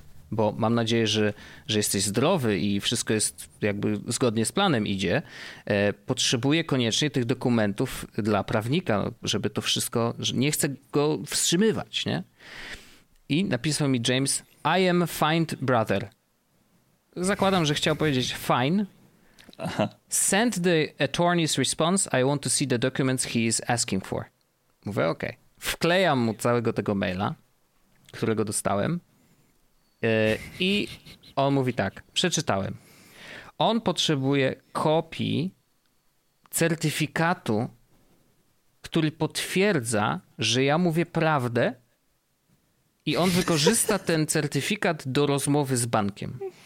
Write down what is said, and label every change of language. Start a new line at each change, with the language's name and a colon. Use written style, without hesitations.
Polish: Bo mam nadzieję, że jesteś zdrowy i wszystko jest jakby zgodnie z planem idzie. Potrzebuję koniecznie tych dokumentów dla prawnika, żeby to wszystko, nie chcę go wstrzymywać, nie? I napisał mi James,
English: I am fine, brother.
Polish: Zakładam, że chciał powiedzieć fine. Aha.
English: Send the attorney's response, I want to see the documents he is asking for.
Polish: Mówię, okej. Okay. Wklejam mu całego tego maila, którego dostałem. I on mówi tak, przeczytałem. On potrzebuje kopii certyfikatu, który potwierdza, że ja mówię prawdę, i on wykorzysta ten certyfikat do rozmowy z bankiem.